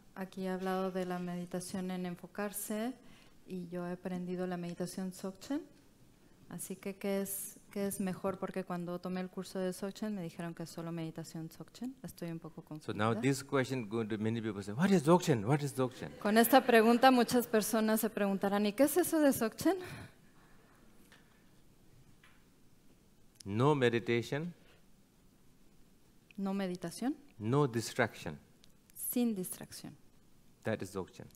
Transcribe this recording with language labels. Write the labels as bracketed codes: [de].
[es] Aquí he hablado de la meditación en enfocarse y yo he aprendido la meditación dzogchen. Así que, ¿qué es mejor? Porque cuando tomé el curso de dzogchen me dijeron que es solo meditación dzogchen. Estoy un poco confundida. [en] So now this question going to many people say, what is dzogchen? What is dzogchen? [es] Con esta pregunta muchas personas se preguntarán, ¿y qué es eso de dzogchen? [en] No meditation. [es] No meditación. [en] No distraction. [es] Sin distracción. [en] That is dzogchen.